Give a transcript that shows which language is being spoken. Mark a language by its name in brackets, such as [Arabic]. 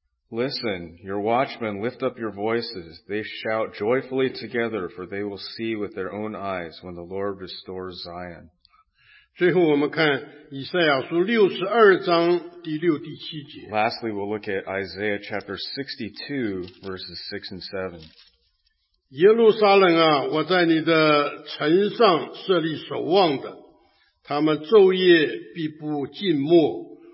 [English] Listen, your watchmen, lift up your voices. They shout joyfully together, for they will see with their own eyes when the Lord restores Zion. [Chinese] 最后我们看以赛亚书62章第6、第7节。 [English] Lastly, we'll look at Isaiah chapter 62, verses 6 and 7. [Chinese] 耶路撒冷啊, 我在你的城上设立守望的,他们昼夜必不静默。